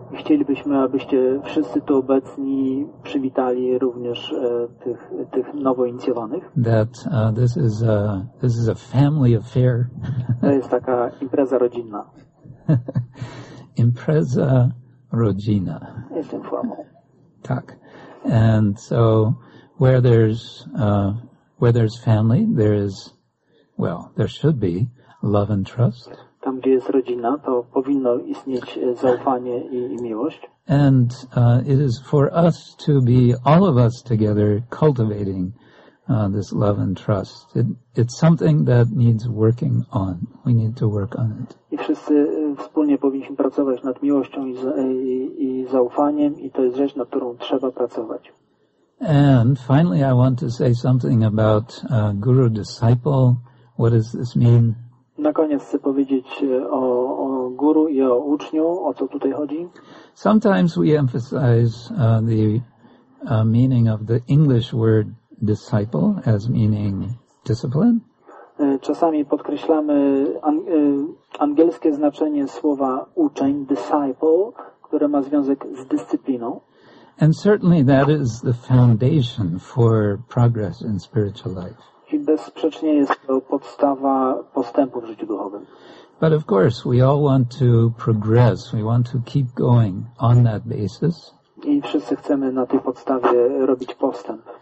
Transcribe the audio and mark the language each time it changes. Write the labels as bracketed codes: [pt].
[pl] Chcielibyśmy, abyście wszyscy tu obecni przywitali również tych nowo inicjowanych. [en] That this is a family affair. [pl] To jest taka impreza rodzinna. Impreza rodzina. Jestem formą. Tak. [en] And so where there's family, there is, well, there should be love and trust. [pl] Tam, gdzie jest rodzina, to powinno istnieć zaufanie i miłość. [en] And it is for us to be, all of us together, cultivating this love and trust. It's something that needs working on. We need to work on it. [pl] I wszyscy wspólnie powinniśmy pracować nad miłością i zaufaniem, i to jest rzecz, nad którą trzeba pracować. [en] And finally, I want to say something about guru-disciple. What does this mean? [pl] Na koniec chcę powiedzieć o guru i o uczniu, o co tutaj chodzi. [en] Sometimes we emphasize the meaning of the English word disciple as meaning discipline. [pl] Czasami podkreślamy angielskie znaczenie słowa uczeń, disciple, które ma związek z dyscypliną. [en] And certainly that is the foundation for progress in spiritual life. [pl] I bezsprzecznie jest to podstawa postępu w życiu duchowym. [en] But of course, we all want to progress. We want to keep going on that basis. [pl] I wszyscy chcemy na tej podstawie robić postęp.